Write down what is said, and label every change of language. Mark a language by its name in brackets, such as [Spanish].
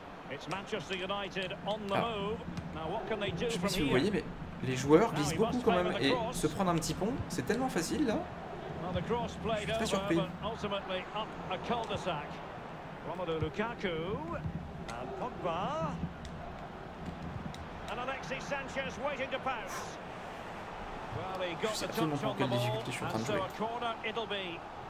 [English] It's Manchester United on the move. Now what can they do from here? [French] Je sais pas si vous voyez, mais les joueurs glissent beaucoup quand même et se prendre un petit pont, c'est tellement facile là. [English] The cross played over, but ultimately up a cul-de-sac. Romelu Lukaku and Pogba. And Alexis Sanchez waiting to pounce. Well, he got the touch on the ball, and so a corner it'll be.